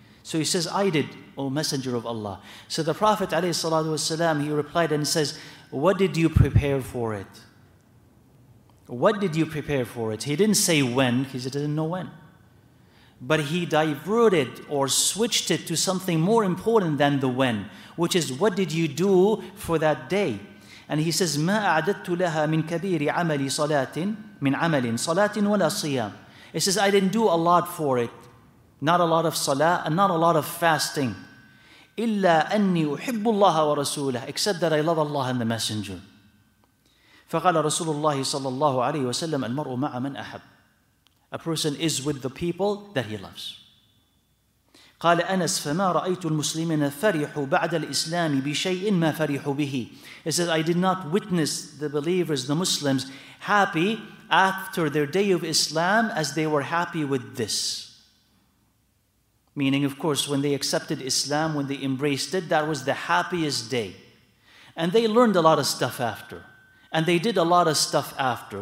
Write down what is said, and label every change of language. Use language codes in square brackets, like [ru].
[en] So he says, I did, O Messenger of Allah. So the Prophet ﷺ, he replied and says, what did you prepare for it? What did you prepare for it? He didn't say when, because he didn't know when. But he diverted or switched it to something more important than the when, which is, what did you do for that day? And he says, [ar] مَا أَعْدَدْتُ لَهَا مِنْ كَبِيرِ عَمَلِ صَلَاةٍ مِنْ عَمَلٍ صَلَاةٍ وَلَا صِيَامٍ. [en] He says, I didn't do a lot for it. Not a lot of salah and not a lot of fasting. [ar] إِلَّا أَنِّي أُحِبُّ اللَّهَ وَرَسُولَهُ. [en] Except that I love Allah and the Messenger. [ar] فَقَالَ رَسُولُ اللَّهِ صَلَّى اللَّهُ عَلَيْهِ وَسَلَّمَ الْمَرْءُ مَعَ مَنْ أَحَبُّ. [en] A person is with the people that he loves. [ar] قال أنس فما رأيت المسلمين فرحوا بعد الإسلام بشيء ما فرحوا به. [en] He says, I did not witness the believers, the Muslims, happy after their day of Islam as they were happy with this. Meaning, of course, when they accepted Islam, when they embraced it, that was the happiest day. And they learned a lot of stuff after. And they did a lot of stuff after.